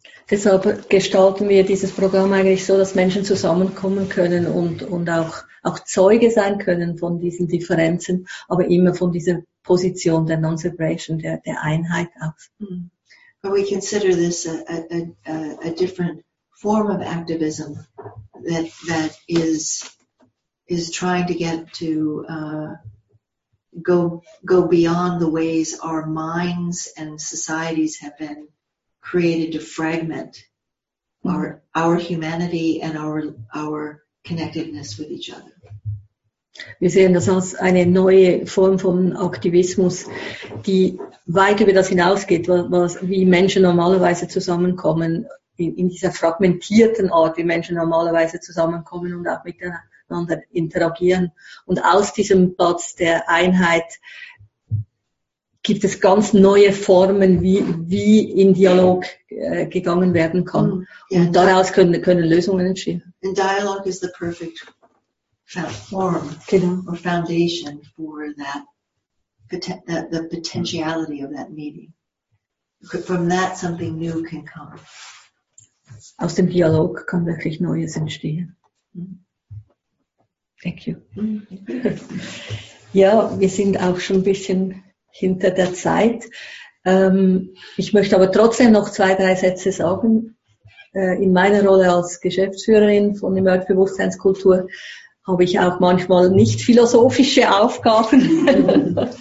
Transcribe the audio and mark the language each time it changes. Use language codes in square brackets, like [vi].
[de] Deshalb gestalten wir dieses Programm eigentlich so, dass Menschen zusammenkommen können und auch Zeuge sein können von diesen Differenzen, aber immer von dieser Position der Non-Separation, der Einheit aus. [en] But we consider this a different form of activism that is trying to get to go beyond the ways our minds and societies have been created to fragment our humanity and our connectedness with each other. [de] Wir sehen das als eine neue Form von Aktivismus, die weit über das hinausgeht, wie Menschen normalerweise zusammenkommen, in dieser fragmentierten Art, wie Menschen normalerweise zusammenkommen und auch miteinander interagieren. Und aus diesem Platz der Einheit gibt es ganz neue Formen, wie in Dialog gegangen werden kann. [en] Mm, yeah, [de] und daraus können Lösungen entstehen. [en] And dialogue is the perfect form, [de] genau. [en] Or foundation for the potentiality of that meeting. From that something new can come. [de] Aus dem Dialog kann wirklich Neues entstehen. [en] Thank you. [de] Ja, wir sind auch schon ein bisschen hinter der Zeit. Ich möchte aber trotzdem noch zwei, drei Sätze sagen. In meiner Rolle als Geschäftsführerin von Emerge Bewusstseinskultur habe ich auch manchmal nicht philosophische Aufgaben.